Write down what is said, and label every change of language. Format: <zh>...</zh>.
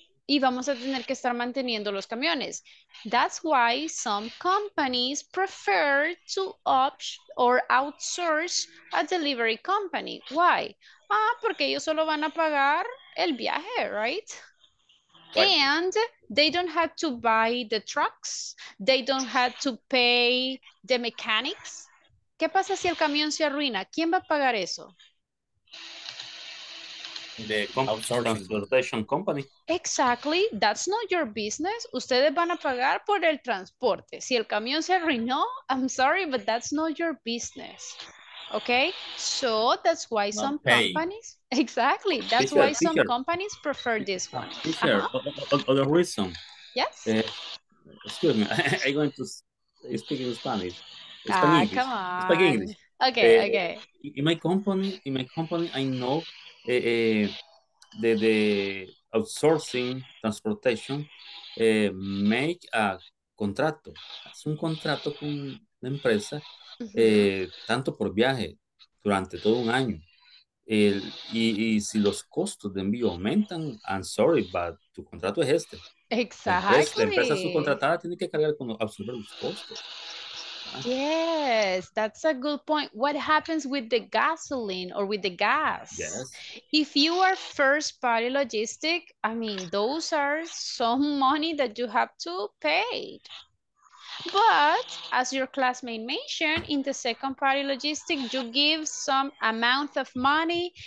<es>y vamos a tener que estar manteniendo los camiones.</es> <en>That's why some companies prefer to opt or outsource a delivery company. Why?</en> <es>Ah, porque ellos solo van a pagar el viaje,</es> <en>right? And they don't have to buy the trucks. They don't have to pay the mechanics.</en> <es>¿Qué pasa si el camión se arruina? ¿Quién va a pagar eso?</es> <en>The transportation company. Exactly. That's not your business.</en> <es>Ustedes van a pagar por el transporte. Si el camión se arruinó,</es> <en>I'm sorry, but that's not your business. Okay? So that's why not some pay. Companies... Exactly. That's teacher, why some teacher. Companies prefer this one. Teacher, uh-huh. Other reason. Yes? Excuse me. I'm going to speak in Spanish. Come on. Okay, okay. In my company, I know the outsourcing transportation make a contrato.</en> <es>Es un contrato con la empresa, uh-huh. Tanto por viaje durante todo un año. Y si los costos de envío aumentan,</es> <en>I'm sorry, but</en> <es>tu contrato es este.</es> <en>Exactly.</en> <es>La empresa subcontratada tiene que cargar con absorber los costos.</es> <en>Yes, that's a good point. What happens with the gasoline or with the gas? Yes. If you are first party logistic, I mean, those are some money that you have to pay. But as your classmate mentioned, in the second party logistic, you give some amount of money.</en>